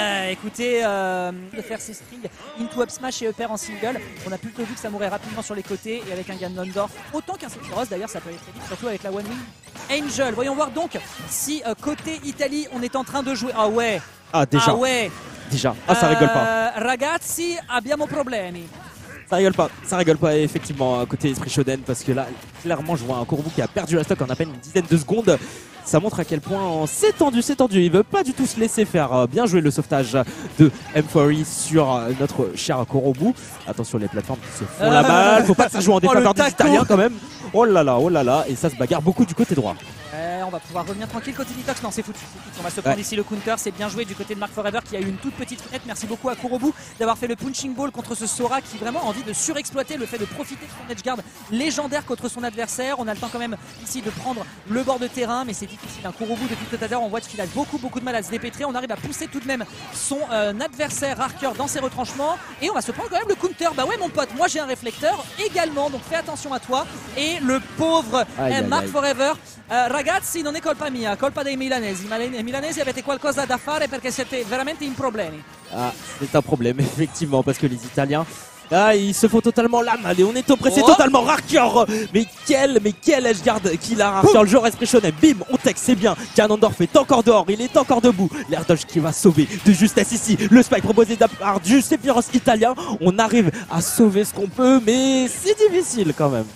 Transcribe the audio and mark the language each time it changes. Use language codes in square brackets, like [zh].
[fr] Écoutez, de faire ses strings into up smash et en single, on a plutôt vu que ça mourait rapidement sur les côtés et avec un Ganondorf autant qu'un Sephiroth d'ailleurs ça peut aller très vite, surtout avec la One Wing Angel. Voyons voir donc si côté Italie on est en train de jouer. Ah ouais, ah déjà, ah ouais déjà, ah ça rigole pas [it] ragazzi, abbiamo problemi. [fr] Ça rigole pas effectivement côté Esprit Shoden parce que là clairement je vois un Kurobu qui a perdu la stock en à peine une dizaine de secondes. Ça montre à quel point c'est tendu, il veut pas du tout se laisser faire. Bien joué le sauvetage de M4E sur notre cher Kurobu. Attention les plateformes qui se font la balle, faut pas que ça joue en défaveur des Italiens quand même. Oh là là, et ça se bagarre beaucoup du côté droit. On va pouvoir revenir tranquille côté Detox. Non, c'est foutu. On va se prendre ici le counter. C'est bien joué du côté de Mark Forever qui a eu une toute petite fenêtre. Merci beaucoup à Kurobu d'avoir fait le punching ball contre ce Sora qui vraiment a envie de surexploiter le fait de profiter de son edge guard légendaire contre son adversaire. On a le temps quand même ici de prendre le bord de terrain, mais c'est difficile. Un Kurobu depuis tout à l'heure, on voit qu'il a beaucoup de mal à se dépêtrer. On arrive à pousser tout de même son adversaire Harker dans ses retranchements et on va se prendre quand même le counter. Bah ouais, mon pote, moi j'ai un réflecteur également, donc fais attention à toi. Et le pauvre Mark Forever. [it] Ragazzi, non è colpa mia, colpa dei milanesi. Ma i milanesi avete qualcosa da fare perché siete veramente in problemi. [fr] Ah, c'est un problème, effectivement, parce que les Italiens, ils se font totalement la mal et on est oppressé totalement. Rarkior, mais quel edge guard qu'il a, Rarkior, le joueur Esprit Shonen. Bim, on tech, c'est bien. Ganondorf est encore dehors, il est encore debout. L'air dodge qui va sauver de justesse ici. Le spike proposé par du Sephiroth italien. On arrive à sauver ce qu'on peut, mais c'est difficile quand même.